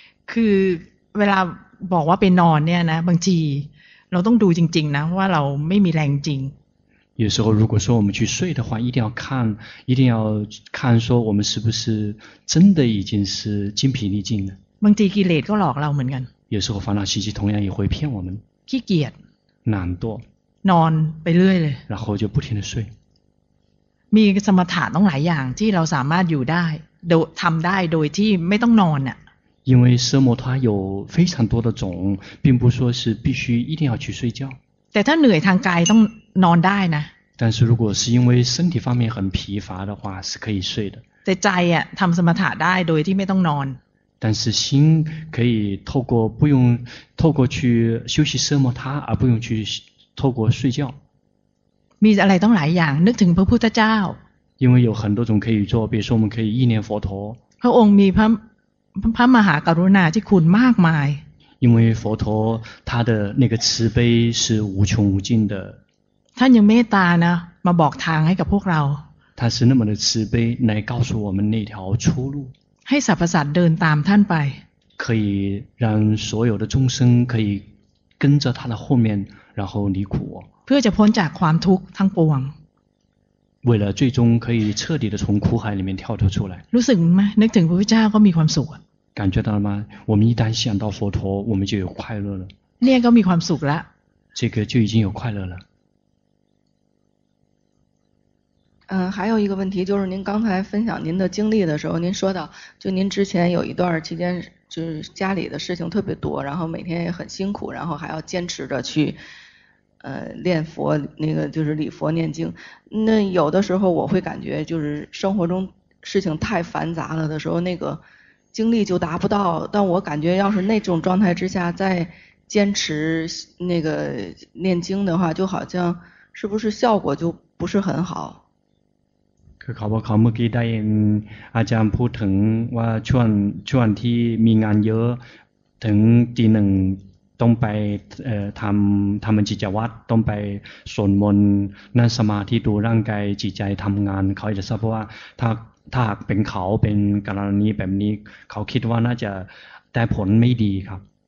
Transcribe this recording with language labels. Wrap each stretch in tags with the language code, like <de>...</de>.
<th>คือเวลาบอกว่าไปนอนเนี่ยนะบางทีเราต้องดูจริงๆนะว่าเราไม่มีแรงจริง</th> <zh>有时候如果说我们去睡的话一定要看说我们是不是真的已经是精疲力尽了</zh> <th>บางทีกิเลสก็หลอกเราเหมือนกัน</th> <zh>有时候烦恼习气同样也会骗我们</zh> <th>ขี้เกียจ</th> <zh>懒惰</zh> <th>นอนไปเรื่อยเลย</th> <zh>然后就不停地睡</zh> <th>มีสมถะต้องหลายอย่างที่เราสามารถอยู่ได้ทำได้โดยที่ไม่ต้องนอนอะ</th> <zh>因为奢摩他有非常多的种并不说是必须一定要去睡觉</zh> <th>แต่ถ้าเหนื่อยทางกายต้องนอนได้นะ</th> <zh>但是如果是因为身体方面很疲乏的话是可以睡的</zh> <th>在ใจ ทำสมาธิได้โดยที่ไม่ต้องนอน</th> <zh>但是心可以透过不用透过去休息奢摩他而不用去透过睡觉</zh> <th>มีอะไรต้องหลายอย่างนึกถึงพระพุทธเจ้า</th> <zh>因为有很多种可以做比如说我们可以忆念佛陀</zh> <th>พระองค์มีพระมหากรุณาที่คุณมากมาย</th> <zh>因为佛陀他的那个慈悲是无穷无尽的</zh> <th>ท่านยังเมตตานะมาบอกทางให้กับพวกเรา</th> <zh>他是那么的慈悲来告诉我们那条出路</zh> <th>ให้สรรพสัตว์เดินตามท่านไป</th> <zh>可以让所有的众生可以跟着他的后面然后离苦</zh> <th>เพื่อจะพ้นจากความทุกข์ทั้งปวง</th> <zh>为了最终可以彻底的从苦海里面跳脱出来</zh> <th>รู้สึกไหมนึกถึงพระพุทธเจ้าก็มีความสุข</th> <zh>感觉到了吗我们一旦想到佛陀我们就有快乐了</zh> <th>เนี่ยก็มีความสุขละ</th> <zh>这个就已经有快乐了还有一个问题就是您刚才分享您的经历的时候您说到就您之前有一段期间就是家里的事情特别多然后每天也很辛苦然后还要坚持着去念佛那个就是礼佛念经那有的时候我会感觉就是生活中事情太繁杂了的时候那个精力就达不到但我感觉要是那种状态之下再坚持那个念经的话就好像是不是效果就不是很好</zh> <th>คือเขาบอกเขาเมื่อกี้ได้ยินอาจารย์พูดถึงว่าช่วงที่มีงานเยอะถึงตีหนึ่งต้องไปทำบัญชีจิตวัดต้องไปสวดมนต์นั่งสมาธิดูร่างกายจิตใจทำงานเขาจะทราบว่าถ้าเป็นเขาเป็นกรณีแบบนี้เขาคิดว่าน่าจะได้ผลไม่ดีครับ</th>